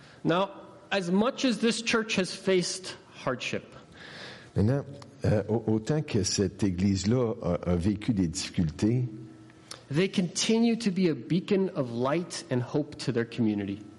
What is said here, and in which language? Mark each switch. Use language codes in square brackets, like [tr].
[en] Now, as much as this church has faced hardship. [fr] Maintenant, autant que cette église-là a vécu des difficultés, [en] they continue to be a beacon of light and hope to their community.